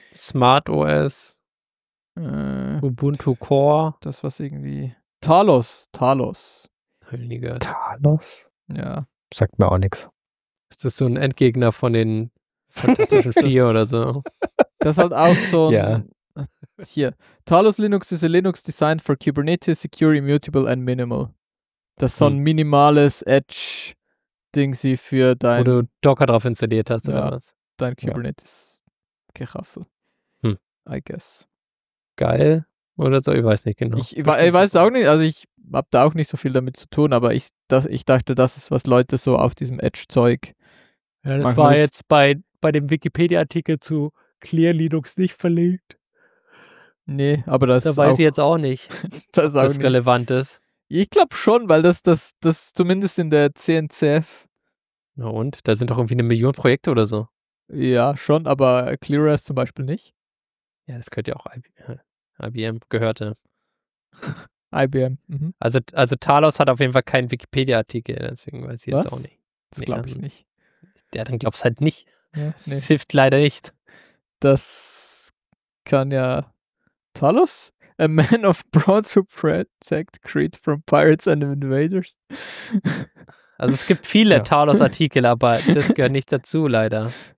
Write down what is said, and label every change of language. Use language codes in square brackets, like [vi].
[de] Smart OS. Ubuntu Core. Das was irgendwie. Talos. Hölliger. Talos? Ja. Sagt mir auch nichts. Ist das so ein Endgegner von den Fantastischen Vier oder so? Das hat auch so ein. Ja. Hier. [en] Talos Linux is a Linux designed for Kubernetes, secure, immutable and minimal. [de] Das ist so ein minimales Edge-Ding für dein... Wo du Docker drauf installiert hast, ja, oder was? Dein Kubernetes-Geraffel. Ja. [en] I guess. [de] Geil. Oder so, ich weiß nicht genau. Ich weiß auch nicht, also ich habe da auch nicht so viel damit zu tun, aber ich dachte, das ist, was Leute so auf diesem Edge-Zeug... Ja, das war jetzt bei dem Wikipedia-Artikel zu Clear Linux nicht verlinkt. Nee, aber das ist. Da weiß ich jetzt auch nicht, das ist auch nicht relevant ist. Ich glaube schon, weil das zumindest in der CNCF. Na und? Da sind doch irgendwie 1 Million Projekte oder so. Ja, schon, aber ClearOS zum Beispiel nicht. Ja, das könnte ja auch IBM gehörte. IBM. Mhm. Also Talos hat auf jeden Fall keinen Wikipedia-Artikel, deswegen weiß ich jetzt auch nicht. Das glaube ich nicht. Ja, dann glaub's halt nicht. Ja, nee. Das hilft leider nicht. Das kann ja. Talos? [en] A man of bronze who protect Crete from pirates and invaders? [de] Also es gibt viele ja. Talos-Artikel, aber das gehört nicht dazu, leider.